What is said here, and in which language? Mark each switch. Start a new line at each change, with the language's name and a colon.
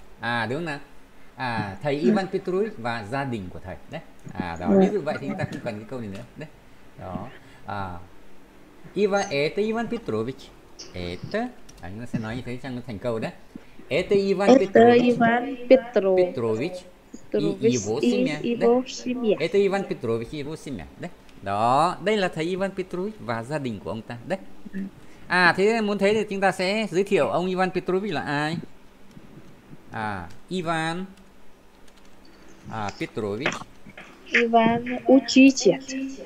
Vietnamese: À đúng không nào? À thầy Ivan Petrovich và gia đình của thầy đấy. À đó, ví dụ vậy thì chúng ta không cần cái câu này nữa đấy. Đó.
Russian: À Ivan это Иван Петрович.
Vietnamese: Это anh ta sẽ nói như thế cho nó thành câu đấy.
Russian: Это Иван Петрович. Его семья. Это Иван Петрович его семья.
Vietnamese: Đấy. Đó, đây là thầy Ivan Petrovich và gia đình của ông ta đấy. À thế muốn thế thì chúng ta sẽ giới thiệu ông Ivan Petrovich là ai? À Ivan à Petrovich.
Russian: Ivan учитель.